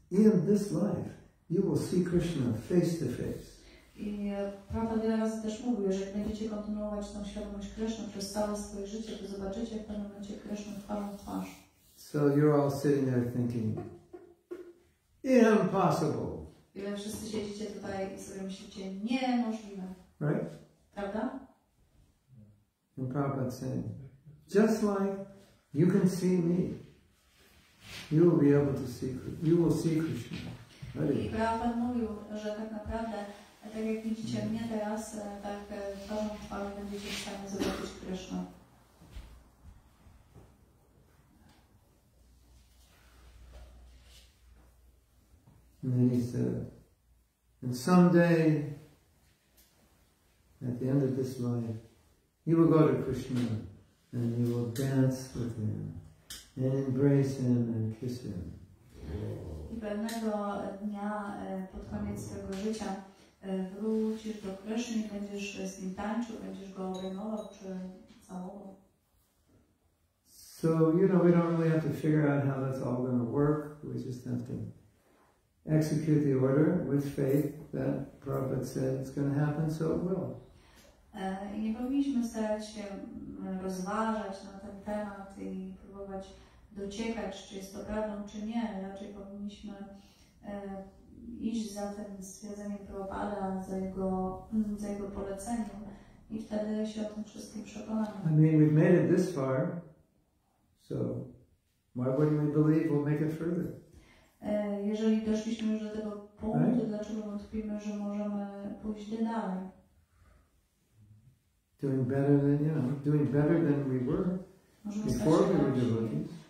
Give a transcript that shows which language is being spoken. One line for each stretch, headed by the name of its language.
English: In this life, you will see Krishna face to face.
Polish: I Prabhupada wiele razy też mówił, że jak będziecie kontynuować tą świadomość Krishna przez całe swoje życie, to zobaczycie w pewnym momencie Krishna twarzą w twarz.
English: So you're all sitting there thinking, impossible.
Polish: I wy wszyscy siedzicie tutaj i sobie myślicie, niemożliwe.
English: Right?
Polish: Prawda?
English: And Prabhupada said, just like you can see me, you will be able to see Krishna. You will see Krishna.
Polish: I Prabhupada mówił, że tak naprawdę, tak jak widzicie mnie teraz, tak to twarzą będziecie w stanie zobaczyć Krishna.
English: And then he said, and someday, at the end of this life, you will go to Krishna. And you will dance with him, and embrace him, and kiss him.
Polish: I pewnego dnia, pod koniec swojego życia, wrócisz do Krishna i będziesz z nim tańczył, będziesz go obejmował, czy całował.
English: So, you know, we don't really have to figure out how that's all going to work. We just have to execute the order with faith that Prabhupada said it's going to happen, so it will.
Polish: Nie powinniśmy starać się rozważać na ten temat i próbować dociekać, czy jest to prawdą, czy nie. Raczej powinniśmy iść za tym stwierdzeniem Prabhupada, za jego poleceniem i wtedy się o tym wszystkim przekonamy.
English: I mean, we've made it this far, so why wouldn't we believe we'll make it further?
Polish: Jeżeli doszliśmy już do tego punktu,
English: right?
Polish: Dlaczego wątpimy, że możemy pójść dalej?
English: Doing better than, you know, doing better than we were
Polish: możemy
English: before we were devotees.